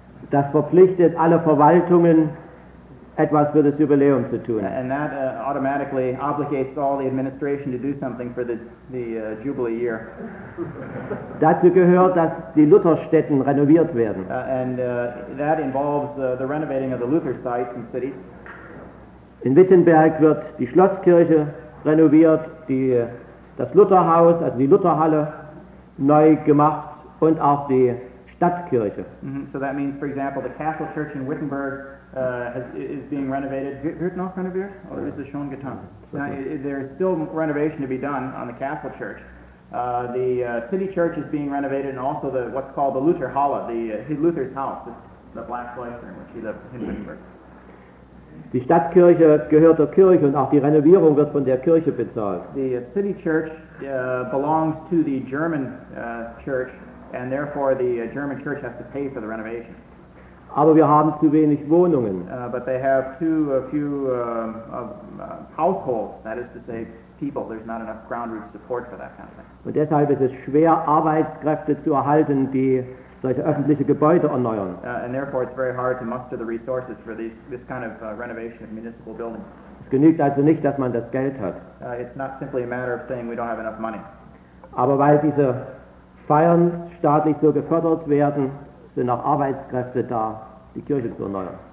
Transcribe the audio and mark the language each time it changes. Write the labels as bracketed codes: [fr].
[de] Das verpflichtet alle Verwaltungen, etwas für das Jubiläum zu tun. [en] And that automatically obligates all the administration to do something for the Jubilee year. [de] Dazu gehört, dass die Lutherstätten renoviert werden. [en] That involves the renovating of the Luther sites and cities. [de] In Wittenberg wird die Schlosskirche renoviert, das Lutherhaus, also die Lutherhalle, neu gemacht und auch die Stadtkirche. Mm-hmm. [en] So that means, for example, the Castle Church in Wittenberg is being renovated. [de] Wird noch renoviert? Oder ist es schon getan? [en] There is still renovation to be done on the Castle Church. The City Church is being renovated and also what's called the Lutherhalle, Luther's house, the black cloister in which he lived in Wittenberg. [de] Die Stadtkirche gehört der Kirche und auch die Renovierung wird von der Kirche bezahlt. [en] The city church belongs to the German church and therefore the German church has to pay for the renovation. [de] Aber wir haben zu wenig Wohnungen. [en] But they have too few households, that is to say people. There's not enough ground roots support for that kind of thing. [de] Und deshalb ist es schwer, Arbeitskräfte zu erhalten, die solche öffentliche Gebäude erneuern. [en] And therefore it's very hard to muster the resources for this kind of renovation of municipal buildings. [de] Es genügt also nicht, dass man das Geld hat. [en] It's not simply a matter of saying we don't have enough money. [de] Aber weil diese Feiern staatlich so gefördert werden, sind auch Arbeitskräfte da, die Kirche zu erneuern.